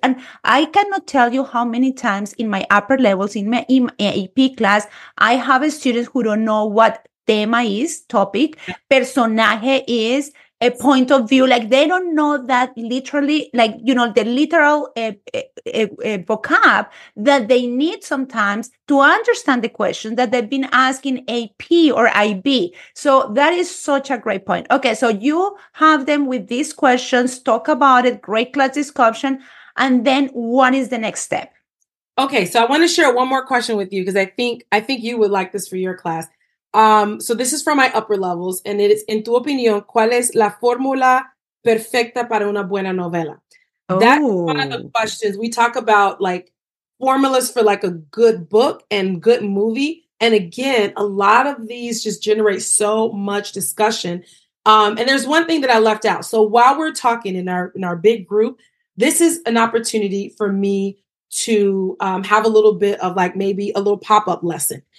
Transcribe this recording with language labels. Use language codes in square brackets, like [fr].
[en] And I cannot tell you how many times in my upper levels, in my AP class, I have a student who don't know what tema is, topic, personaje is, a point of view, like, they don't know that literally, like, you know, the literal vocab that they need sometimes to understand the question that they've been asking AP or IB. So that is such a great point. Okay, so you have them with these questions, talk about it, great class discussion, and then what is the next step? Okay, so I want to share one more question with you, because I think you would like this for your class. So this is from my upper levels, and it is, [es] en tu opinión, ¿cuál es la fórmula perfecta para una buena novela? [en] Oh. That's one of the questions. We talk about, like, formulas for, like, a good book and good movie. And again, a lot of these just generate so much discussion. And there's one thing that I left out. So while we're talking in our big group, this is an opportunity for me to have a little bit of, like, maybe a little pop-up lesson.